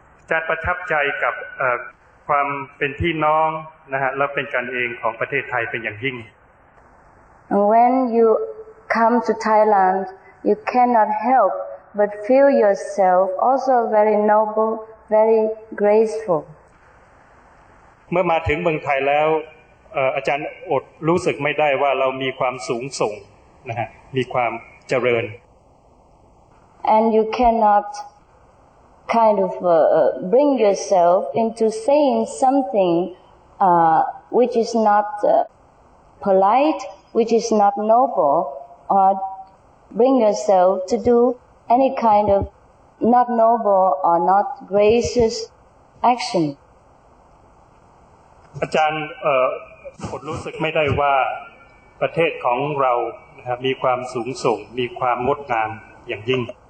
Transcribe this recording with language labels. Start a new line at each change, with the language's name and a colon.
Thai: จัดประทับใจกับความเป็นพี่น้องนะฮะและเป็นกันเองของประเทศไทยเป็นอย่างยิ่ง
English: When you come to Thailand you cannot help but feel yourself also very noble very graceful
Thai: เมื่อมาถึงเมืองไทยแล้วอาจารย์อดรู้สึกไม่ได้ว่าเรามีความสูงส่งนะฮะมีความเจริญ
English: And you cannotkind of bring yourself into saying something which is not polite which is not noble or bring yourself to do any kind of not noble or not gracious action
Thai: อาจารย์ผมรู้สึกไม่ได้ว่าประเทศของเรานะครับมีความสูงส่งมีความงดงามอย่างยิ่ง